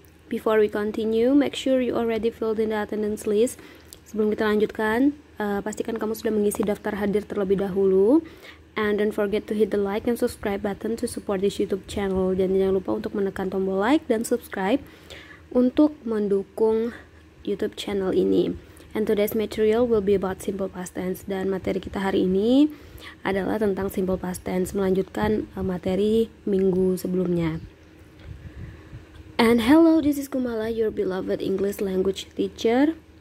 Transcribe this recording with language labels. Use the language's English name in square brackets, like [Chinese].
[English] Before we continue, make sure you already filled in the attendance list. [Indonesian] Sebelum kita lanjutkan, pastikan kamu sudah mengisi daftar hadir terlebih dahulu. [English] And don't forget to hit the like and subscribe button to support this YouTube channel. [Indonesian] Dan jangan lupa untuk menekan tombol like dan subscribe untuk mendukung YouTube channel ini. [English] And today's material will be about simple past tense. [Indonesian] Dan materi kita hari ini adalah tentang simple past tense, melanjutkan materi minggu sebelumnya. [English] And hello, this is Kumala, your beloved English language teacher.